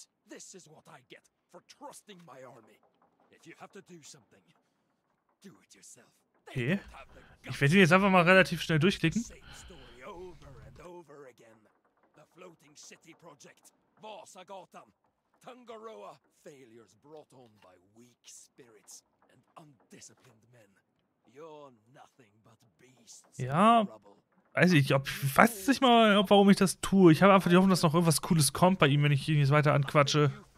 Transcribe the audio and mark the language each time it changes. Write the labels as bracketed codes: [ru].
[en] This is what I get for trusting my army. If you have to do something, do it yourself. Okay. [de] Ich werde ihn jetzt einfach mal relativ schnell durchklicken. [en] Over and over again. The floating city project. Vasagatan. Tangaroa. Failures brought on by weak spirits and undisciplined men. You're nothing but beasts. [de] Ja. Weiß nicht, warum ich das tue. Ich habe einfach die Hoffnung, dass noch irgendwas Cooles kommt bei ihm, wenn ich ihn jetzt weiter anquatsche.